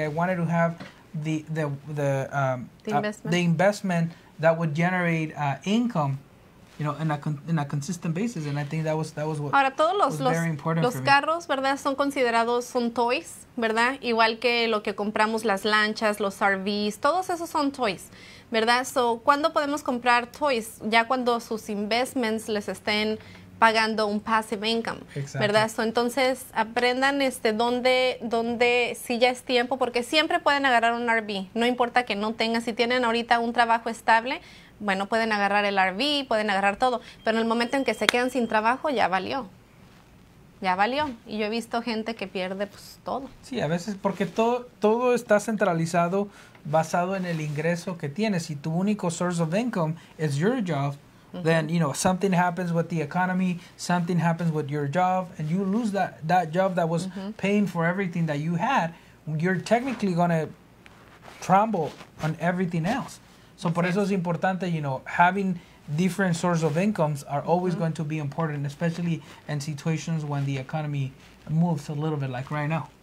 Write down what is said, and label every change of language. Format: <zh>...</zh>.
<en>I wanted to have the investment that would generate income, you know, in a consistent basis, and I think that was what.</en> <es>Ahora todos los carros, ¿verdad? Son considerados son toys, ¿verdad? Igual que lo que compramos, las lanchas, los RVs, todos esos son toys, ¿verdad? So, ¿cuándo podemos comprar toys? Ya cuando sus investments les estén pagando un passive income, ¿verdad? So, entonces, aprendan dónde si ya es tiempo, porque siempre pueden agarrar un RV, no importa que no tengan. Si tienen ahorita un trabajo estable, bueno, pueden agarrar el RV, pueden agarrar todo, pero en el momento en que se quedan sin trabajo, ya valió. Ya valió. Y yo he visto gente que pierde, pues, todo. Sí, a veces, porque todo está centralizado basado en el ingreso que tienes. Si tu único</es> <en>source of income es your job, then, you know, something happens with the economy, something happens with your job, and you lose that job that was paying for everything that you had, you're technically going to crumble on everything else. So,</en> <es>por eso es importante,</es> <en>you know, having different sources of incomes are always going to be important, especially in situations when the economy moves a little bit, like right now.</en>